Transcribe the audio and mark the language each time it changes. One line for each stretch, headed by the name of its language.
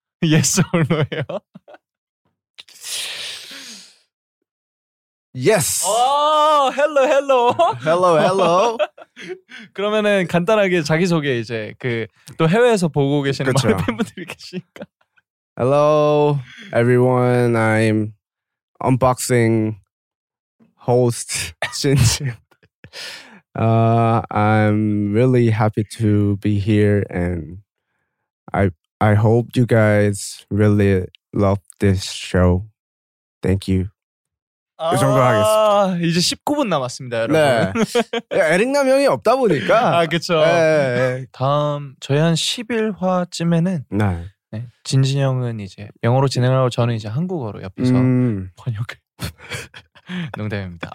English: Yes or no예요? Yes. 오, hello, hello. Hello, hello.
Korean: 그러면은 간단하게 자기 소개 이제 그 또 해외에서 보고 계시는 많은 팬분들이 계시니까.
English: Hello, everyone. I'm unboxing host Jinjin. I'm really happy to be here, and I hope you guys really love this show. Thank you.
Korean: 이 정도 하겠습니다. 이제 19분 남았습니다, 여러분. 네. 에릭남 형이 없다 보니까. 아, 그렇죠. 네. 다음 저희 한 11화쯤에는 네. 네. 진진 형은 이제 영어로 진행하고 저는 이제 한국어로 옆에서 번역을 농담입니다.